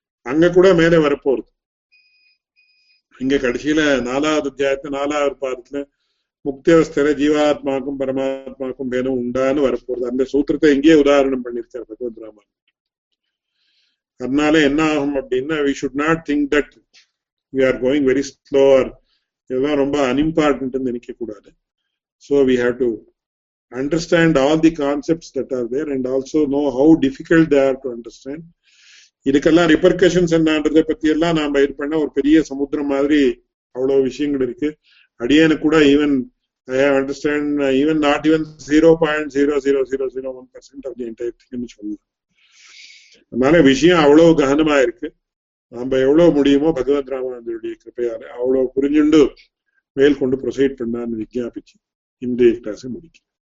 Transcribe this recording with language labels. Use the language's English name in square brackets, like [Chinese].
[Tamil] அங்க கூட மேலே வரப்போறது. இங்க கடைசியில 4வது அத்தியாயத்துல 4வது பாதத்துல முக்தி அவஸ்தையில ஜீவாத்மாக்கும் பரமாத்மாக்கும் பேதம் உண்டான்னு வரப்போறது. அந்த சூத்திரத்தை இங்கேயே உதாரணம் பண்ணிருக்காரு பகவத் ராமர். அதனால என்ன ஆகும் அப்படின்னா, [English] we should not think that we are going very slow [Tamil] R இதெல்லாம் ரொம்ப அன்இம்பார்ட்டன்ட் நினைக்க கூடாது. [English] So we have to understand all the concepts that are there and also know how difficult they are to understand. [Tamil] இதுக்கெல்லாம் repercussions என்னன்றத பத்தி எல்லாம் நாம இருப்பேன். ஒரு பெரிய சமுத்திரம் மாதிரி அவ்வளவு விஷயங்கள் இருக்கு. அடியேன கூட [English] even 0.00001% of the entire thing [Tamil] என்று சொல்லுவேன். அதனால விஷயம் அவ்வளவு கவனமா இருக்கு. நாம எவ்வளவு முடியுமோ பகவத் ராமானுடைய கிருப்பையால அவ்வளவு புரிஞ்சுண்டு மேல் கொண்டு ப்ரொசைட் பண்ணான்னு விஜாபிச்சு இன்றைய கிளாஸ் முடிக்க.